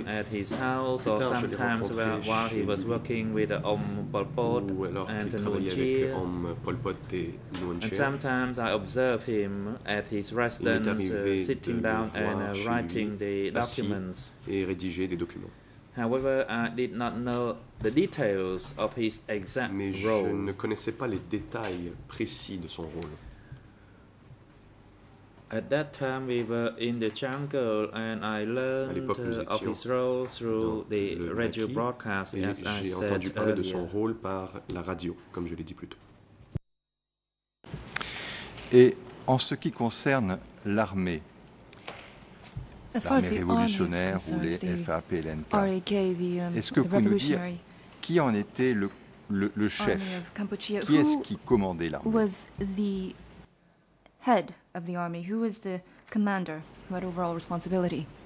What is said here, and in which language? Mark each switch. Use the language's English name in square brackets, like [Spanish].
[English] Him at his house, or sometimes while he was working with Aum Pol Pot and Nguyen Chia. And sometimes I observe him at his residence, sitting down and writing the documents. [French] Et rédiger des documents. [English] However, I did not know the details of his exact [French] mais [English] role. [French] Je ne connaissais pas les détails précis de son rôle. [English] At that time, we were in the jungle, and I learned of his role through the radio broadcast, as I said earlier. [French] J'ai entendu parler de son rôle par la radio, comme je l'ai dit plus tôt. Et en ce qui concerne l'armée, l'armée révolutionnaire ou les FAPLNK, est-ce que vous pouvez nous dire qui en était le chef? Qui est-ce qui commandait l'armée? [English] Head of the army, who was the commander who had overall responsibility?